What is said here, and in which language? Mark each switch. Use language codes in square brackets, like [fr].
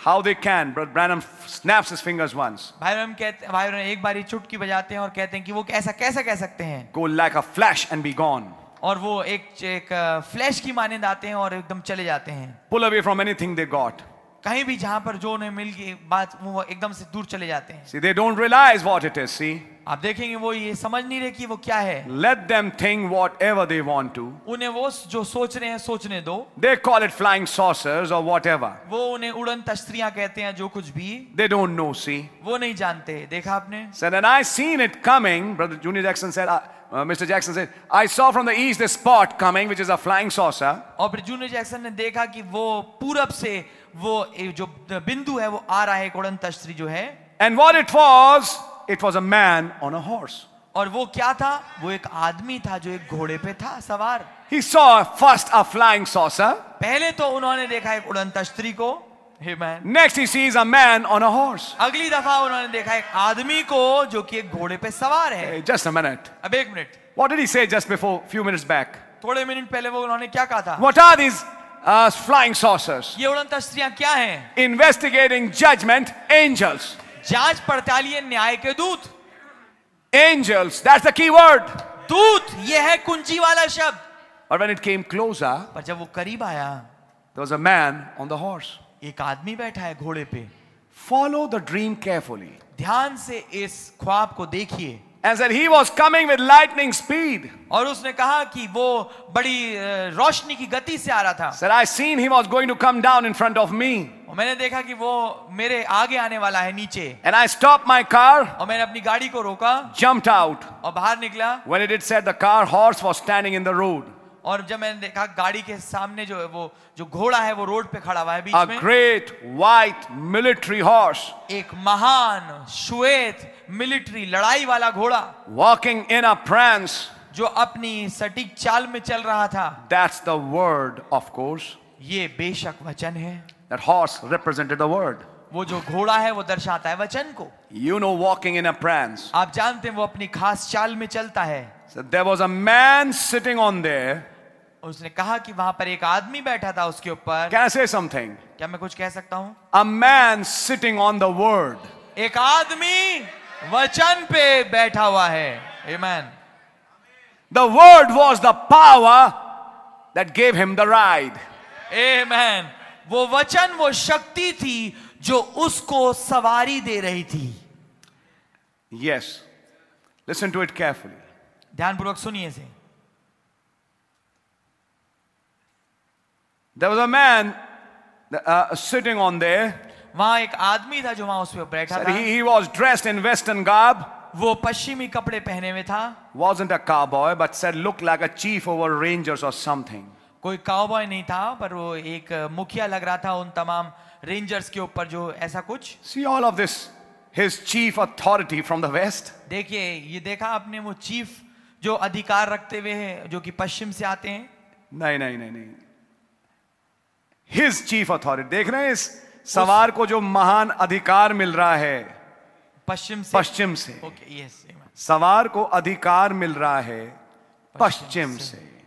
[en] How they can, Brother Branham snaps his fingers once. [hi] भाई Branham एक बारी चुटकी बजाते हैं और कहते हैं कि वो ऐसा कैसे कह सकते हैं. [en] Go like a flash and be gone. [hi] और वो एक फ्लैश की मानिंद आते हैं और एकदम चले जाते हैं. [en] Pull away from anything they got. [hi] कहीं भी जहां पर जो उन्हें मिल गई बात वो एकदम से दूर चले जाते हैं. [en] See, they don't realize what it is, see? [hi] आप देखेंगे वो ये समझ नहीं रहे कि वो क्या है. [en] Let them think whatever they want to. [hi] उन्हें वो जो सोच रहे हैं सोचने दो. [en] They call it flying saucers or whatever. [hi] वो उन्हें उड़न तश्तरियां कहते हैं जो कुछ भी. [en] They don't know, see. [hi] वो नहीं जानते. देखा आपने? [en] Said, and I seen it coming. Brother Junior Jackson said, Mr. Jackson said, I saw from the east this spot coming, which is a flying saucer. [hi] और फिर जूनियर जैक्सन ने देखा कि वो पूरब से वो जो बिंदु है वो आ रहा है उड़न तश्तरी जो है. [en] And what it was? It was a man on a horse. [hi] और वो क्या था? वो एक आदमी था जो एक घोड़े पे था सवार. [en] He saw first a flying saucer. [hi] पहले तो उन्होंने देखा एक उड़न तश्तरी को. [en] Amen. Next he sees a man on a horse. [hi] अगली दफा उन्होंने देखा एक आदमी को जो कि एक घोड़े पे सवार है. [en] Just a minute. [hi] अब एक minute. [en] What did he say just before few minutes back? [hi] थोड़े मिनट पहले वो उन्होंने क्या कहा था? [en] What are these? Flying saucers. [hi] ये उड़न तश्तरियां क्या हैं? [en] Investigating judgment angels. [hi] जांच पड़ताल ये न्याय के दूत. [en] Angels, that's the key word. [hi] दूत ये है कुंजी वाला शब्द. [en] But when it came closer, [hi] पर जब वो करीब आया, [en] there was a man on the horse. [hi] एक आदमी बैठा है घोड़े पे. [en] Follow the dream carefully. [hi] ध्यान से इस ख्वाब को देखिए. [en] And said he was coming with lightning speed. [hi] और उसने कहा कि वो बड़ी रोशनी की गति से आ रहा था. [en] Said I seen he was going to come down in front of me. [hi] और मैंने देखा कि वो मेरे आगे आने वाला है नीचे. [en] And I stopped my car. [hi] और मैंने अपनी गाड़ी को रोका. [en] Jumped out. [hi] और बाहर निकला. [en] When it said the car horse was standing in the road. [hi] और जब मैंने देखा गाड़ी के सामने जो है वो जो घोड़ा है वो रोड पे खड़ा हुआ है बीच [en] में. A great white military horse. [hi] एक महान श्वेत मिलिट्री लड़ाई वाला घोड़ा. [en] Walking in a prance. [hi] जो अपनी सटीक चाल में चल रहा था. [en] That's the word, of course. [hi] ये बेशक वचन है. [en] That horse represented the word. [hi] वो जो घोड़ा है वो दर्शाता है वचन को. [en] You know, walking in a prance. [hi] आप जानते हैं वो अपनी खास चाल में चलता है. [en] So there was a man sitting on there. [hi] उसने कहा कि वहां पर एक आदमी बैठा था उसके ऊपर. [en] Can I say something? [hi] क्या मैं कुछ कह सकता हूं? [en] A man sitting on the word. [hi] एक आदमी वचन पे बैठा हुआ है. [en] Amen. The word was the power that gave him the ride. [hi] Amen. वो वचन वो शक्ति थी जो उसको सवारी दे रही थी. [en] Yes. Listen to it carefully. [hi] ध्यानपूर्वक सुनिए से. [en] There was a man sitting on there. [hi] वहां एक आदमी था जो वहां उस पे बैठा था. [en] He was dressed in western garb. [hi] वो पश्चिमी कपड़े पहने हुए था. [en] Wasn't a cowboy, but said looked like a chief over rangers or something. [hi] कोई काउबॉय नहीं था पर वो एक मुखिया लग रहा था उन तमाम रेंजर्स के ऊपर जो ऐसा कुछ. [en] See all of this, his chief authority from the west. [hi] देखिए ये देखा आपने वो चीफ जो अधिकार रखते हुए हैं जो कि पश्चिम से आते हैं. नहीं नहीं नहीं नहीं. [en] His chief authority. [hi] देख रहे हैं इस सवार को जो महान अधिकार मिल रहा है पश्चिम से. [en] Okay, yes, [hi] सवार को अधिकार मिल रहा है पश्चिम से.